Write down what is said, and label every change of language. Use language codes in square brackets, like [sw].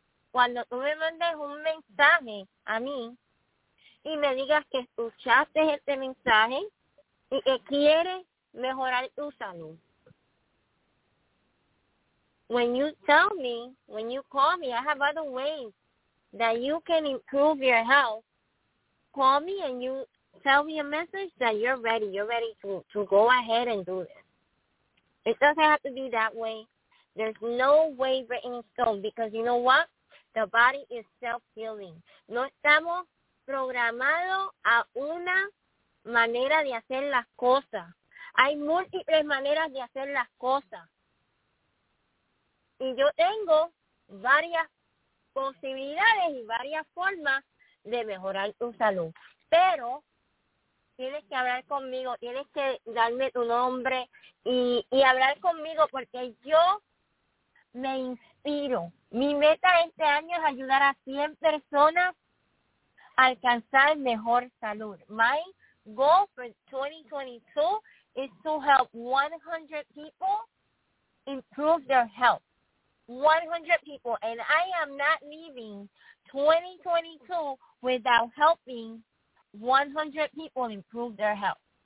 [es] Cuando tú me mandes un mensaje a mí y me digas que escuchaste este mensaje y que quieres mejorar tu salud. [en] When you tell me, when you call me, I have other ways that you can improve your health. Call me and you tell me a message that you're ready. You're ready to go ahead and do this. It doesn't have to be that way. There's no way written in stone, because you know what? The body is self-healing. [es] No estamos programados a una manera de hacer las cosas. Hay múltiples maneras de hacer las cosas. Y yo tengo varias posibilidades y varias formas de mejorar tu salud. Pero tienes que hablar conmigo, tienes que darme tu nombre y hablar conmigo, porque yo me inspiro. Mi meta este año es ayudar a 100 personas a alcanzar mejor salud. [en] My goal for 2022 is to help 100 people improve their health. 100 people. And I am not leaving 2022 without helping 100 people improve their health.